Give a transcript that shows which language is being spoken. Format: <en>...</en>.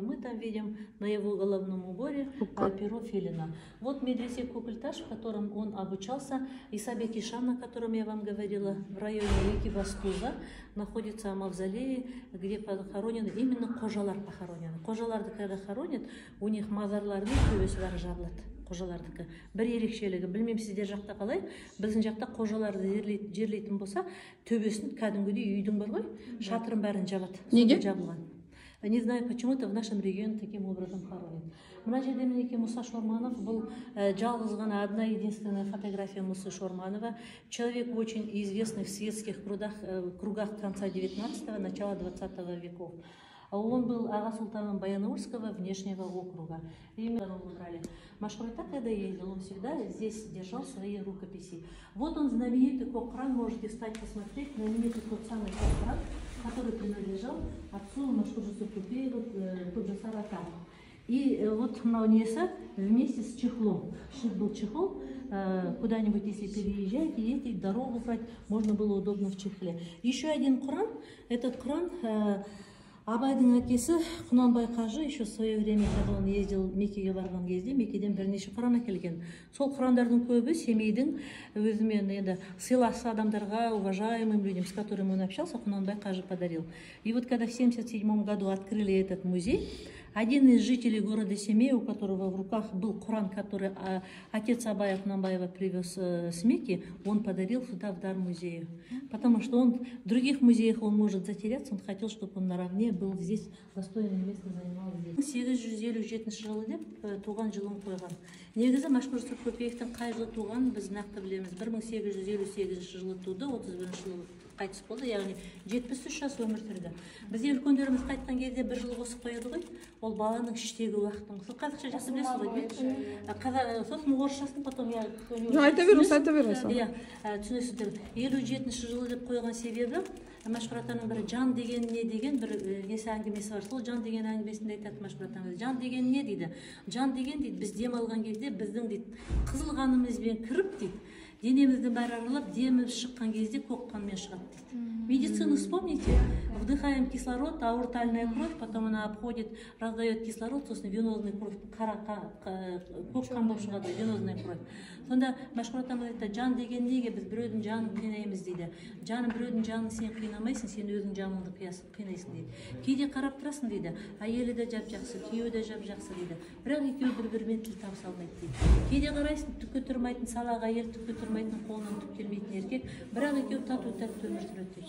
<ru>Мы там видим на его головном уборе перо филина. Вот медресе Кукльташ, в котором он обучался. Исабек Ишан, на котором я вам говорила, в районе реки Бастуза, находится мавзолей, где похоронены именно кожалар похоронены. Кожаларды когда хоронят, у них мазарларды кювесвар жаблат.</ru> <kk>Қожалардың бір ерекшелігі, білмеймін сіздер жақта қалай, біздің жақта қожаларды жерлейтін болса, төбесін кәдімгідей үйдің бар ғой, шатырын бәрін жабады. Неге? Жабылған.</kk> <ru>Не знаю, почему-то в нашем регионе таким образом хоронят.</ru> <kk>Мына жерде мінекі Мұса Шорманов, бұл жалғыз ғана</kk> <ru>одна единственная фотография Мұсы Шорманова. Человек очень известный в светских кругах конца 19-го, начала 20-го веков. Он был ага султаном Баянаульского внешнего округа. Именно его украли. Машхур ата, когда ездил, он всегда здесь держал свои рукописи. Вот он знаменитый кокран, можете встать посмотреть, знаменитый тот самый кокран, который принадлежал отцу Машхур Жусупкопееву, тот же Сара ата. И вот на унеса вместе с чехлом. Шит был чехол, куда-нибудь если переезжаете, едете, дорогу брать, можно было удобно в чехле. Еще один кран, этот кран...</ru> <kk>Абайдың әкесі Құнанбай қажы</kk> <ru>еще в свое время, когда он ездил</ru> <kk>Мекеге барған кезде, Мекеден бірнеше құран әкелген. Сол құрандардың көбі Семейдің өзімен енді сыйласы адамдарға,</kk> <ru>уважаемым людям, с которым он общался,</ru> <kk>Құнанбай қажы</kk> <ru>подарил. И вот когда в 77 году открыли этот музей, один из жителей города Семей, у которого в руках был Куран, который отец Абая Кунанбаева привез с Мекки, он подарил сюда в дар музею. Потому что он в других музеях он может затеряться, он хотел, чтобы он наравне был здесь, достойное место занимал здесь.</ru> <kk>857 жылы деп, туған жылын қойған. Негізі Машхур Жусупкопеевтің қай жылы туған, біз нақты білеміз. 1858 жылы туды, 31 жылы қайтыс болды, яғни 73 жас өмір сүрді. Бізде үлкендеріміз қайтқан кезде бір жыл қосып қояды ғой, ол баланың іштегі уақытың. Сіз қазақша жақсы білесіз ғой, сосын орысшасын</kk> <ru>потом я...</ru> <kk>Айта беріңіз. 57 жылы деп қойған себебі, Машхур атаның бір жан деген не деген бір несі әңгімесі бар. Сол жан деген әңгімесінде айтады Машхур атаңыз. Жан деген не дейді? Жан деген дейді, біз демалған кезде біздің дейді қызылғанымызбен кіріп дейді. денемізді бәрі аралап, деміп шыққан кезде қоққанмен шығады дейді.</kk> <ru>Медицину вспомните, вдыхаем кислород, аортальная кровь, потом она обходит, раздает кислород, собственно, венозная кровь, карака, кокан бошугады, венозная кровь.</ru> <kk>Сонда машкур атам айтты, жан деген неге, біз біреудің жанын қинаймыз дейді. Жаным, біреудің жанын сен қинамайсың, сен өзің жаныңды қинайсың дейді. Кейде қарап тұрасың дейді, әйелі де жап жақсы, күйеуі де жап жақсы дейді. Бірақ екеуі бір-бірімен тіл табыса алмайды дейді. Кейде қарайсың, түкке тұрмайтын салақ әйел, түкке тұрмайтын қолынан түк келмейтін еркек, бірақ екеуі тату-тәтті өмір сүреді.</kk>